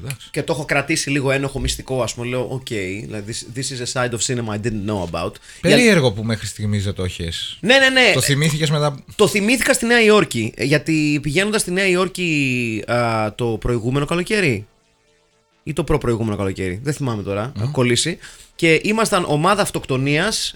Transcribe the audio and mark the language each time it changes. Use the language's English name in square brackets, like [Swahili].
[Greek] Και το έχω κρατήσει λίγο ένοχο μυστικό, ας πούμε. Λέω, [English] OK, this is a side of cinema I didn't know about. [Greek] Περίεργο που μέχρι στιγμής δεν το έχεις. Ναι. Το θυμήθηκες μετά. Το θυμήθηκα στη Νέα Υόρκη. Γιατί πηγαίνοντας στη Νέα Υόρκη το προηγούμενο καλοκαίρι, ή το προπροηγούμενο καλοκαίρι. Δεν θυμάμαι τώρα. Mm. Κολλήσει. Και ήμασταν ομάδα αυτοκτονίας.